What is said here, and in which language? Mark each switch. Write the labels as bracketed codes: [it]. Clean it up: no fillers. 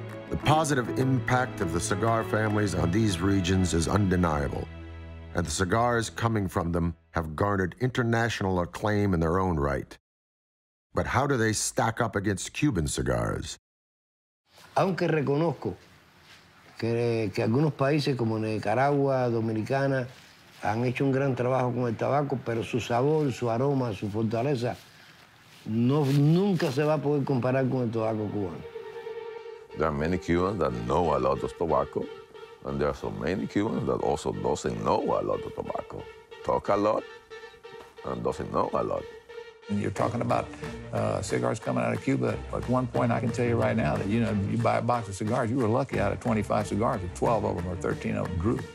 [en] The positive impact of the cigar families on these regions is undeniable, and the cigars coming from them have garnered international acclaim in their own right. But how do they stack up against Cuban cigars? [es] Aunque reconozco que algunos países como Nicaragua, Dominicana, han hecho un gran trabajo con el tabaco, pero su sabor, su aroma, su fortaleza, no, nunca se va a poder comparar con el tabaco cubano. [en] There are many Cubans that know a lot of tobacco, and there are so many Cubans that also doesn't know a lot of tobacco. Talk a lot, and doesn't know a lot. You're talking about cigars coming out of Cuba. At one point, I can tell you right now that, you know, you buy a box of cigars, you were lucky out of 25 cigars, 12 of them or 13 of them grew.